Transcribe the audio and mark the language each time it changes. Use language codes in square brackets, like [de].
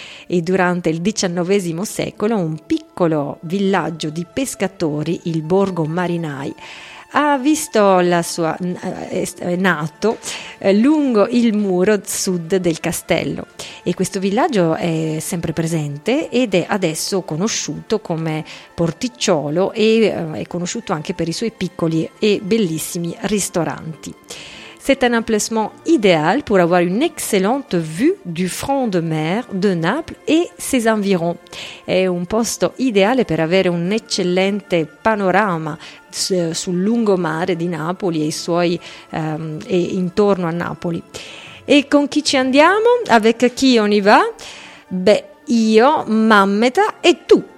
[it] Et durante il XIXe secolo, un piccolo villaggio di pescatori, il Borgo Marinai, ha visto la sua nato lungo il muro sud del castello. E questo villaggio è sempre presente ed è adesso conosciuto come Porticciolo e è conosciuto anche per i suoi piccoli e bellissimi ristoranti. [fr] C'est un emplacement idéal pour avoir une excellente vue du front de mer de Naples et ses environs. [it] È un posto ideale per avere un eccellente panorama sul lungomare di Napoli e i suoi e intorno a Napoli. E con chi ci andiamo? [fr] Avec chi on y va? [it] Beh, io, Mammeta e tu.